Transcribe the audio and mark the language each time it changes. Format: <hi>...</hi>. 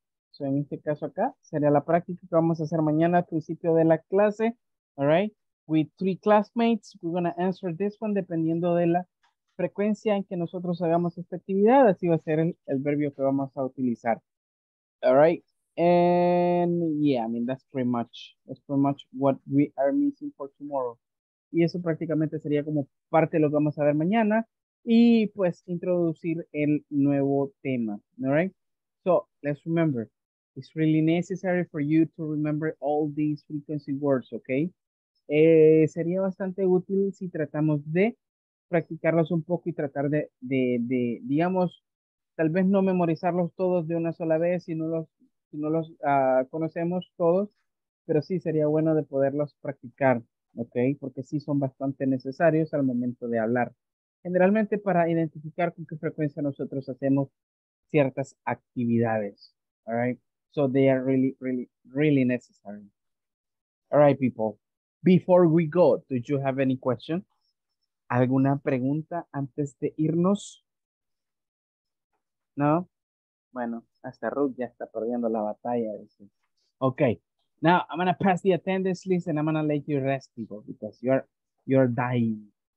<es>So en este caso acá sería la práctica que vamos a hacer mañana al principio de la clase.</es> <en>All right. With three classmates, we're going to answer this one</en> <es>dependiendo de la frecuencia en que nosotros hagamos esta actividad. Así va a ser el verbo que vamos a utilizar.</es> <en>All right. And yeah, I mean, that's pretty much what we are missing for tomorrow.</en> <es>Y eso prácticamente sería como parte de lo que vamos a ver mañana. Y pues introducir el nuevo tema.</es> <en>All right. So, let's remember, it's really necessary for you to remember all these frequency words, okay?</en> <es>Sería bastante útil si tratamos de practicarlos un poco y tratar de digamos, tal vez no memorizarlos todos de una sola vez si no los conocemos todos, pero sí sería bueno de poderlos practicar, okay? Porque sí son bastante necesarios al momento de hablar. Generalmente para identificar con qué frecuencia nosotros hacemos ciertas actividades, all right?</es> <en>So they are really, really, really necessary. All right, people, before we go, do you have any questions?</en> <es>¿Alguna pregunta antes de irnos? No? Bueno, hasta Ruth ya está perdiendo la batalla.</es> <en>Okay, now I'm gonna pass the attendance list and I'm gonna let you rest, people, because you're dying.</en>